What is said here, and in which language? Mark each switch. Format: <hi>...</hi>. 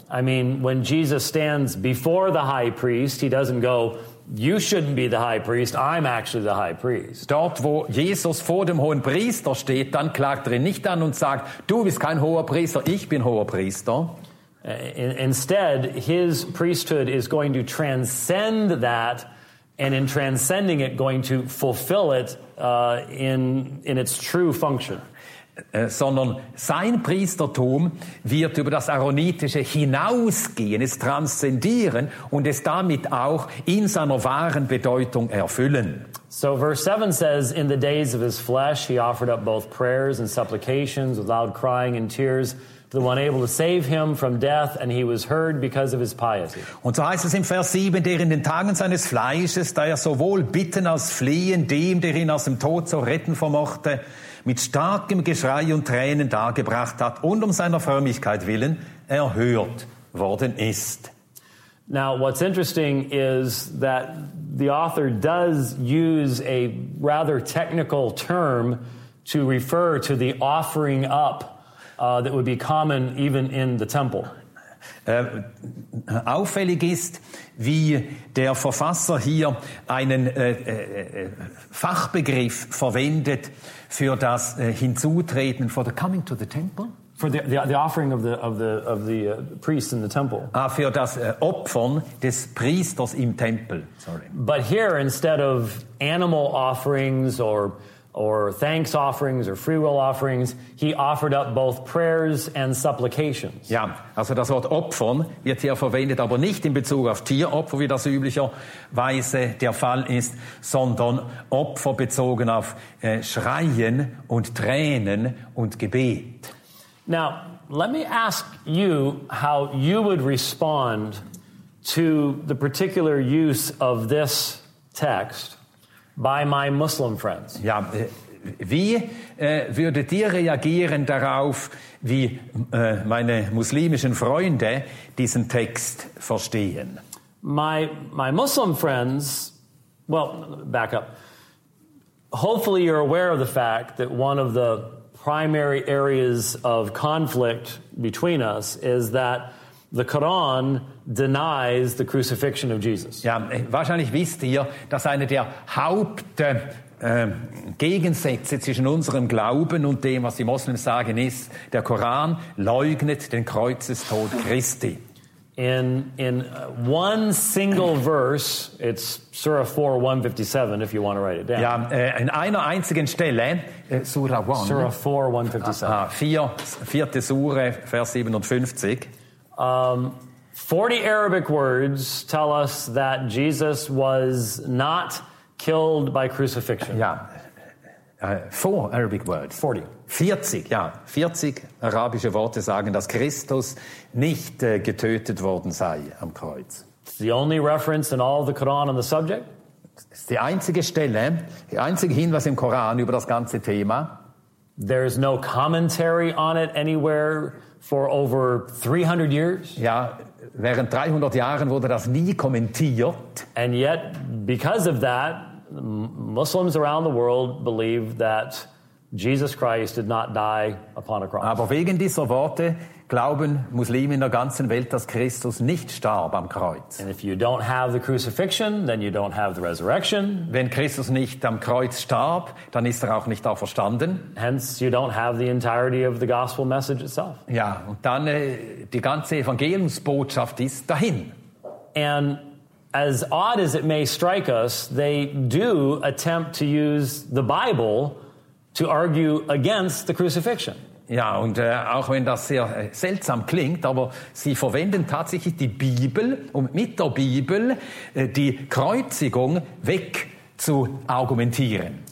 <en>I mean, when Jesus stands before the high priest, he doesn't go, you shouldn't be the high priest, I'm actually the high priest.</en> <de>Dort, wo Jesus vor dem hohen Priester steht, dann klagt er ihn nicht an und sagt, du bist kein hoher Priester, ich bin hoher Priester.</de> <en>Instead, his priesthood is going to transcend that, and in transcending it, going to fulfill it in its true function.</en> <de>Sondern sein Priestertum wird über das Aaronitische hinausgehen, es transzendieren und es damit auch in seiner wahren Bedeutung erfüllen.</de> <en>So verse 7 says, in the days of his flesh he offered up both prayers and supplications with loud crying and tears to the one able to save him from death, and he was heard because of his piety.</en> <de>Und so heißt es im Vers 7, der in den Tagen seines Fleisches, da er sowohl bitten als fliehen, dem, der ihn aus dem Tod zu retten vermochte, mit starkem Geschrei und Tränen dargebracht hat und um seiner Frömmigkeit willen erhört worden ist.</de> <en>Now, what's interesting is that the author does use a rather technical term to refer to the offering up that would be common even in the temple.</en> <de>Auffällig ist, wie der Verfasser hier einen Fachbegriff verwendet für das Hinzutreten,</de> <en>for the coming to the temple, for the offering of the priest in the temple.</en> <de>Für das Opfern des Priesters im Tempel.</de> <en>Sorry. But here, instead of animal offerings or thanks offerings or free will offerings, he offered up both prayers and supplications.</en> <de>Ja, also das Wort Opfern wird hier verwendet, aber nicht in Bezug auf Tieropfer, wie das üblicherweise der Fall ist, sondern Opfer bezogen auf Schreien und Tränen und Gebet.</de> <en>Now, let me ask you how you would respond to the particular use of this text by my Muslim friends.</en> <de>Ja, wie würdet ihr reagieren darauf, wie meine muslimischen Freunde diesen Text verstehen?</de> <en>My Muslim friends, well, back up. Hopefully you're aware of the fact that one of the primary areas of conflict between us is that the Quran denies the crucifixion of Jesus.</en> <de>Ja, wahrscheinlich wisst ihr, dass eine der Hauptgegensätze zwischen unserem Glauben und dem, was die Moslems sagen, ist, der Koran leugnet den Kreuzestod Christi.</de> <en>In one single verse, it's Surah 4, 157, if you want to write it down.</en> <de>Ja, in einer einzigen Stelle, Surah 1.</de> <en>Surah 4, 157.</en> <de>Vierte Sure, Vers 57.</de> <en>40 Arabic words tell us that Jesus was not killed by crucifixion. Ja, four Arabic words. 40.</en> <de>40, ja. 40 arabische Worte sagen, dass Christus nicht getötet worden sei am Kreuz.</de> <en>It's the only reference in all the Quran on the subject.</en> <de>Das ist die einzige Stelle, der einzige Hinweis im Koran über das ganze Thema.</de> <en>There is no commentary on it anywhere for over 300 years.</en> <de>Ja, während 300 Jahren wurde das nie kommentiert.</de> <en>And yet, because of that, Muslims around the world believe that Jesus Christ did not die upon a cross.</en> <de>Aber wegen dieser Worte glauben Muslime in der ganzen Welt, dass Christus nicht starb am Kreuz.</de> <en>And if you don't have the crucifixion, then you don't have the resurrection.</en> <de>Wenn Christus nicht am Kreuz starb, dann ist auch nicht auferstanden.</de> <en>Hence, you don't have the entirety of the gospel message itself.</en> <de>Ja, und dann die ganze Evangeliumsbotschaft ist dahin.</de> <en>And as odd as it may strike us, they do attempt to use the Bible to argue against the crucifixion.</en> <de>Ja, und auch wenn das sehr seltsam klingt, aber sie verwenden tatsächlich die Bibel, um mit der Bibel die Kreuzigung weg zu argumentieren.</de>